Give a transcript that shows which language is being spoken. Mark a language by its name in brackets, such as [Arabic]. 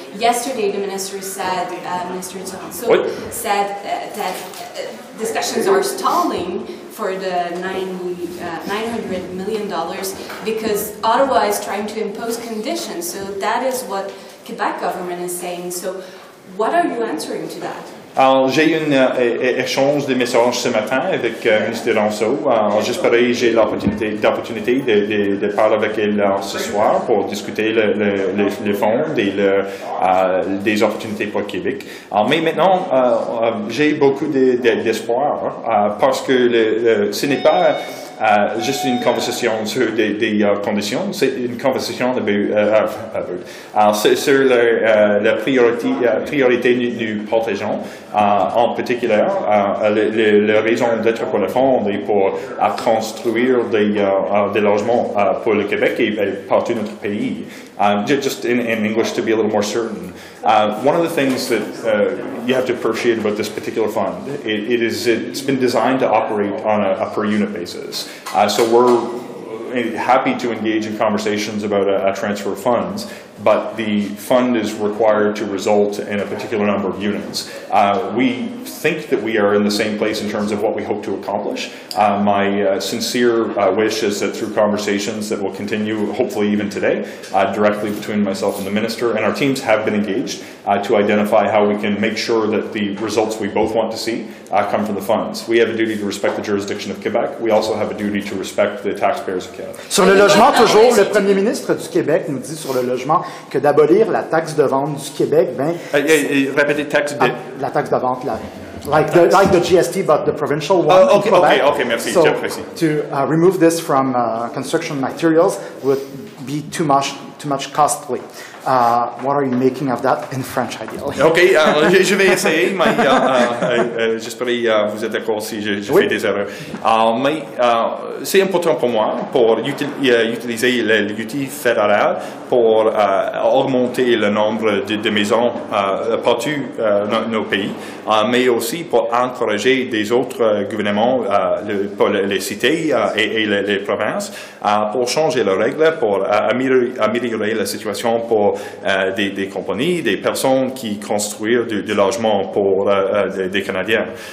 [English] Yesterday, the minister said, Minister Johnson said that discussions are stalling for the $900 million because Ottawa is trying to impose conditions. So that is what Quebec government is saying. So what are you answering to that? [French] Alors, j'ai eu un échange de messages ce matin avec le ministre Rousseau. Alors, j'espère que j'ai l'opportunité de parler avec elle ce soir pour discuter le fond et des opportunités pour Québec. Alors, mais maintenant, j'ai beaucoup d'espoir parce que ce n'est pas juste une conversation sur des conditions, c'est une conversation sur la priorité du protégeant, en particulier la raison d'être pour le fond et pour construire des logements pour le Québec et partout notre pays. [English] Just in English to be a little more certain. One of the things that you have to appreciate about this particular fund, it's been designed to operate on a per unit basis. So we're happy to engage in conversations about a transfer of funds, but the fund is required to result in a particular number of units. We think that we are in the same place in terms of what we hope to accomplish. My sincere wish is that through conversations that will continue, hopefully even today, directly between myself and the minister, and our teams have been engaged to identify how we can make sure that the results we both want to see come from the funds. We have a duty to respect the jurisdiction of Quebec. We also have a duty to respect the taxpayers of Canada. [French] Sur le logement, toujours, le premier ministre du Québec nous dit sur le logement que d'abolir la taxe de vente du Québec, ben répétez taxe de la taxe de vente là. [English] Like the GST, but the provincial one. [French] Okay, merci. [English] So to remove this from construction materials would be too much costly. What are you making of that in French, ideally? [French] Okay, je vais essayer. J'espère que vous êtes d'accord si je fais des erreurs. Mais c'est important pour moi pour utiliser l'outil fédéral pour augmenter le nombre de maisons partout dans nos pays, mais aussi pour encourager des autres gouvernements, pour les cités et les provinces, pour changer les règles, pour améliorer la situation pour des compagnies, des personnes qui construisent du logement pour des Canadiens.